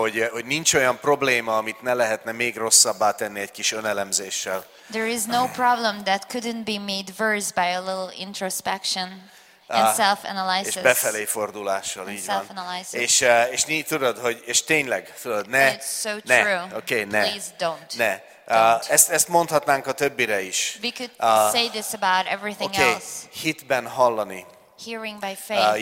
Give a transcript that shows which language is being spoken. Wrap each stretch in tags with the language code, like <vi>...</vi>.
<hu>Hogy nincs olyan probléma, amit ne lehetne még rosszabbá tenni egy kis önelemzéssel.</hu> <en>There is no problem that couldn't be made worse by a little introspection. And self-analysis.</en> <hu>És befelé fordulással, így van. És nincs, tudod, hogy, és tényleg, tudod, ne,</hu> <en>it's so true.</en> <hu>Ne, okay, ne,</hu> <en>please don't.</en> <hu>Ne.</hu> <en>Don't.</en> <hu>Ezt mondhatnánk a többire is.</hu> <en>We could say this about everything okay, else.</en> <hu>Hitben hallani.</hu> <en>Hearing by faith.</en>